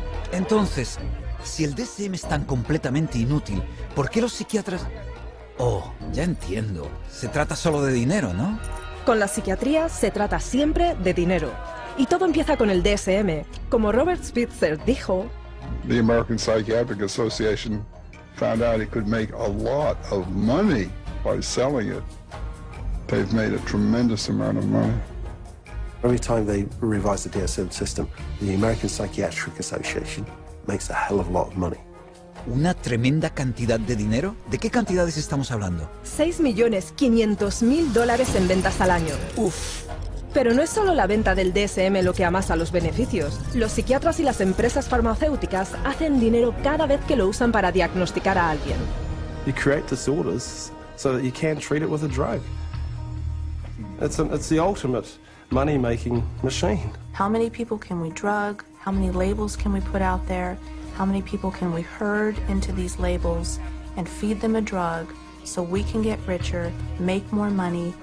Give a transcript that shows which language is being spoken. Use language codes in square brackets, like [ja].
[es] Entonces, si el DSM es tan completamente inútil, ¿por qué los psiquiatras...? Oh, ya entiendo. Se trata solo de dinero, ¿no? Con la psiquiatría se trata siempre de dinero. Y todo empieza con el DSM. Como Robert Spitzer dijo... [en] The American Psychiatric Association found out it could make a lot of money by selling it. They've made a tremendous amount of money. Every time they revise the DSM system, the American Psychiatric Association makes a hell of a lot of money. [es] ¿Una tremenda cantidad de dinero? ¿De qué cantidades estamos hablando? $6,500,000 en ventas al año. ¡Uf! Pero no es solo la venta del DSM lo que amasa los beneficios. Los psiquiatras y las empresas farmacéuticas hacen dinero cada vez que lo usan para diagnosticar a alguien. [en] You create disorders so that you can treat it with a drug. It's the ultimate money-making machine. How many people can we drug? How many labels can we put out there? How many people can we herd into these labels and feed them a drug so we can get richer, make more money?